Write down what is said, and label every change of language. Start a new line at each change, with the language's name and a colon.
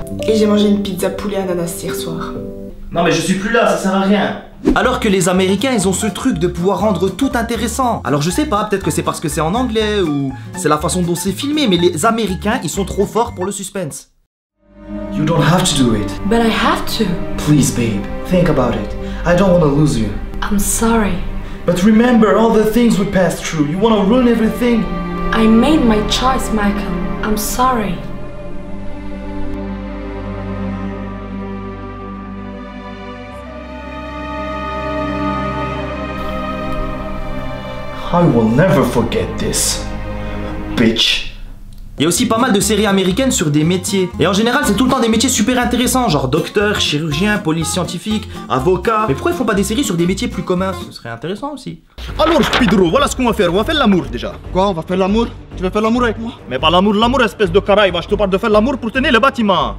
French: Et j'ai mangé une pizza poulet ananas hier soir. Non, mais je suis plus là, ça sert à rien. Alors que les Américains, ils ont ce truc de pouvoir rendre tout intéressant. Alors je sais pas, peut-être que c'est parce que c'est en anglais ou c'est la façon dont c'est filmé, mais les Américains, ils sont trop forts pour le suspense.
English: You don't have to do it. But I have to. Please babe, think about it. I don't want to lose you. I'm sorry. But remember all the things we passed through. You want to ruin everything? I made my choice, Michael. I'm sorry. I will never forget this, bitch.
French: Il y a aussi pas mal de séries américaines sur des métiers. Et en général, c'est tout le temps des métiers super intéressants, genre docteur, chirurgien, police scientifique, avocat. Mais pourquoi ils font pas des séries sur des métiers plus communs? Ce serait intéressant aussi. Alors, Pedro, voilà ce qu'on va faire. On va faire l'amour déjà. Quoi? On va faire l'amour? Tu veux faire l'amour avec moi? Mais pas l'amour, l'amour, espèce de caraïbe. Je te parle de faire l'amour pour tenir le bâtiment.